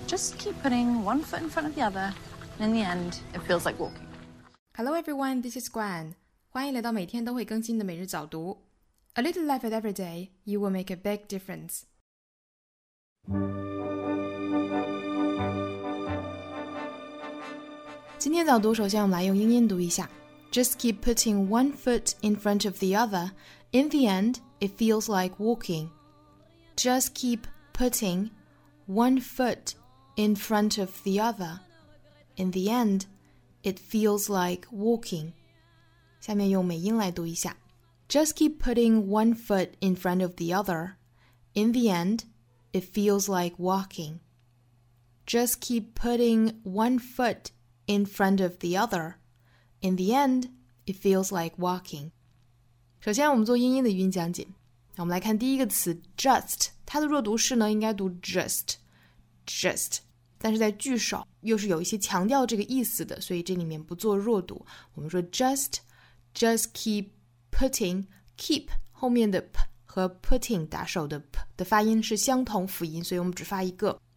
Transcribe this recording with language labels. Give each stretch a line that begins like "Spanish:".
English: Just keep putting one foot in front of the other, and in the end, it feels like walking. Hello everyone, this is Gwen.
Chinese: 欢迎来到每天都会更新的每日早读。
English: A little effort every day, you will make a big difference. Just keep putting one foot in front of the other. In the end, it feels like walking. Just keep putting one foot in front of the other. In the end, it feels like walking.
Chinese: 下面用美音来读一下。
English: Just keep putting one foot in front of the other. In the end, it feels like walking. Just keep putting one foot in front of the other. In the end, it feels like walking.
Chinese: 首先我们做英音的语音讲解。我们来看第一个词 just, 它的弱读式呢应该读 just, just, 但是在句首又是有一些强调这个意思的，所以这里面不做弱读。我们说 just keep,Putting, keep, 后面的 p 和 putting 打手的 p 的发音是相同辅音，所以我们只发一个。